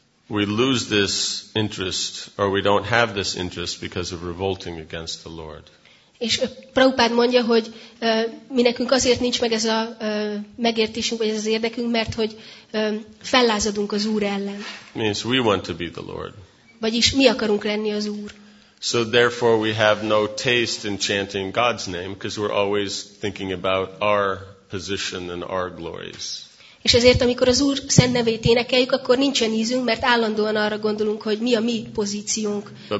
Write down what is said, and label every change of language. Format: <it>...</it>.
<en>we lose this interest, or we don't have this interest because of revolting against the Lord.</en> <hu>És Prabhupád mondja, hogy mi nekünk azért nincs meg ez a megértésünk, vagy ez az érdekünk, mert hogy fellázadunk az Úr ellen.</hu> <en>Means we want to be the Lord.</en> <hu>Vagyis mi akarunk lenni az Úr.</hu> <en>So therefore we have no taste in chanting God's name, because we're always thinking about our position and our glories.</en> <hu>És ezért, amikor az Úr szent nevét énekeljük, akkor nincsen ízünk, mert állandóan arra gondolunk, hogy mi a mi pozíciónk.</hu>